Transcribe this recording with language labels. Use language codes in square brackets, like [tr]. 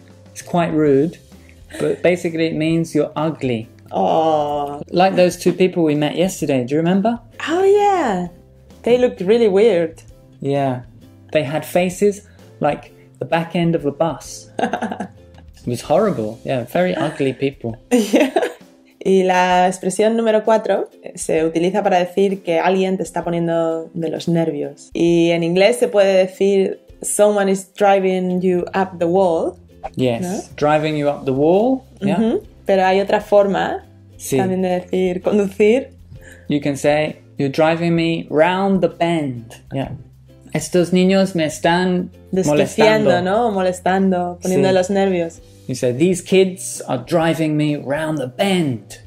[en] It's quite rude, but basically it means you're ugly. Oh. Like those two people we met yesterday, do you remember? Oh, yeah. They looked really weird. Yeah. They had faces like the back end of a bus. It was horrible. Yeah, very ugly people. [es] Y la expresión número 4 se utiliza para decir que alguien te está poniendo de los nervios. Y en inglés se puede decir, [en] someone is driving you up the wall. Yes, [es] ¿no? [en] Driving you up the wall. [es] Pero hay otra forma también de decir conducir. [en] You can say, you're driving me round the bend. Yeah. [es] Estos niños me están desquiciando, ¿no? Molestando, poniendo de los nervios. [en] You say, these kids are driving me round the bend.